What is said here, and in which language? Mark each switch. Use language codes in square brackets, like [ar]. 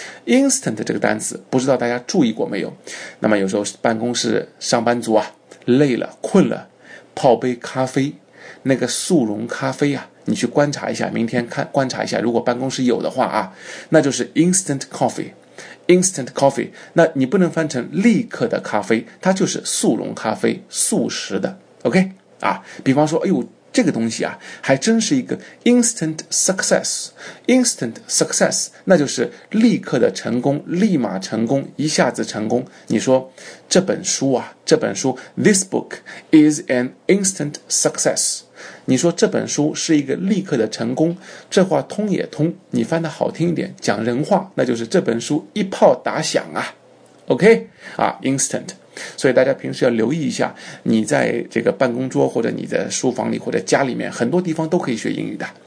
[zh] instant 这个单词不知道大家注意过没有，那么有时候办公室上班族啊累了困了，泡杯咖啡，那个速溶咖啡啊，你去观察一下，明天看观察一下，如果办公室有的话啊，那就是 [en] instant coffee， [zh] instant coffee， 那你不能翻成立刻的咖啡，它就是速溶咖啡，速食的。 OK 啊，比方说哎呦这个东西啊还真是一个 [en] instant success， [zh] instant success 那就是立刻的成功，立马成功，一下子成功。你说这本书啊，这本书 [en] this book is an instant success， [zh] 你说这本书是一个立刻的成功，这话通也通，你翻得好听一点，讲人话，那就是这本书一炮打响啊。 OK, 啊 ,instant。所以大家平时要留意一下，你在这个办公桌或者你的书房里或者家里面，很多地方都可以学英语的。